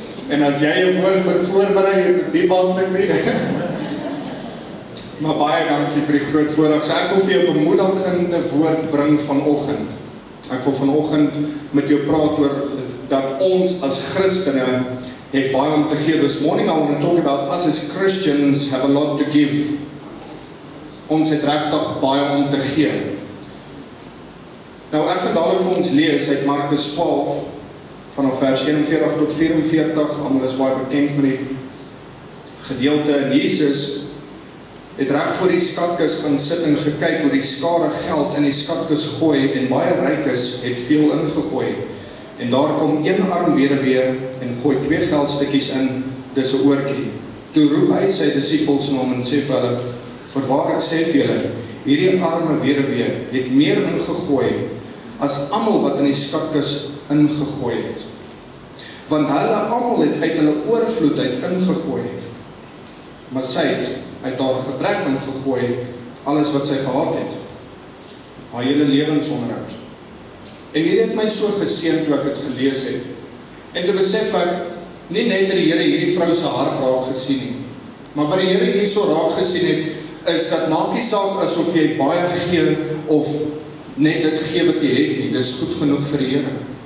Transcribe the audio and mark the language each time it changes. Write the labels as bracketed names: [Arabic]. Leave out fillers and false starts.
[Afrikaans] En as jy 'n woord moet voorberei, is dit nie maklik nie. Maar baie dankie vir die groot voorreg. So ek wil vir jou 'n bemoedigende woord bring vanoggend. Ek wil vanoggend met jou praat oor dat ons as Christene het baie om te gee. [English] This morning I want to talk about us as Christians have a lot to give. [Afrikaans] Ons het regtig baie om te gee. Nou ek gaan dadelik vir ons lees uit Markus 12 vanaf vers 41 tot 44. Almal is baie bekend met die gedeelte en Jesus het reg voor die skatkis gaan sit en gekyk hoe die skare geld in die skatkis gooi en baie rykes het veel ingegooi. En daar kom een arm weduwee en gooi 2 geldstukkies in, dis 'n oortjie. Toe roep hy sy disippels na hom en sê vir hulle, "Verwaar ek sê vir julle, hierdie arme weduwee het meer ingegooi as almal wat in die skatkis ingegooi het. Want hulle almal het uit hulle oorvloed uit ingegooi. Maar sy het uit haar gebrek ingegooi alles wat sy gehad het. Haar hele lewensonderhoud. En hierdie het my so geseën toe ek het gelees het. En toe besef ek, nie net die Here hierdie vrou se hart raak gesien nie, maar wat die Here hierso raak gesien het, is dat maak nie saak asof jy baie gee of net dit gee wat jy het nie, dis goed genoeg vir die Here.